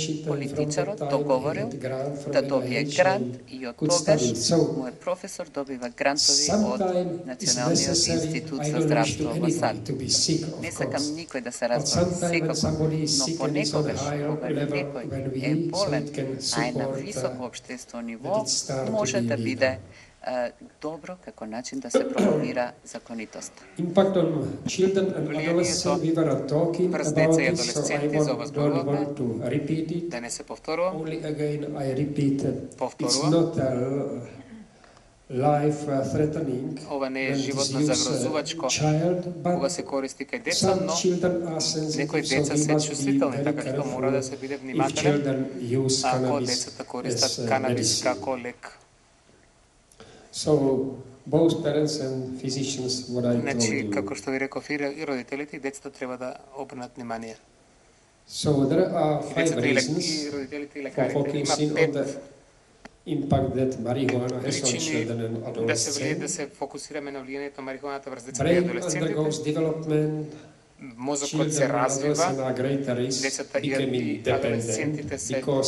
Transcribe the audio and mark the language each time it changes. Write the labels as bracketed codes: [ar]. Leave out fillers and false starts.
[mk] Политичарот договорил да добие грант и од тогаш мојот професор добива грантови од Националниот институт за здравство во САД. Не сакам никој да се разболи секако, но понекогаш, кога некој е болен, а е на високо обштество ниво, може да биде добро како начин да се промовира законитост. [en] Impact on children and adolescents, we were talking about this, so I don't want to repeat it. [mk] Да не се повторувам. [en] Only again, I repeat, it's not a life-threatening. [mk] Ова не е животно загрозувачко. Кога се користи кај деца, но некои деца се чувствителни, така што мора да се биде внимателен, ако децата користат канабис како лек. [en] So both parents and physicians, what I told you. [mk] Значи, како што ви реков, и родителите и децата треба да обрнат внимание. [en] So there are five reasons for focusing on the impact that marijuana has on children and adolescents. [mk] Да се фокусираме на влијанието на марихуаната врз децата и адолесцентите. Мозокот се развива, децата и адолесцентите се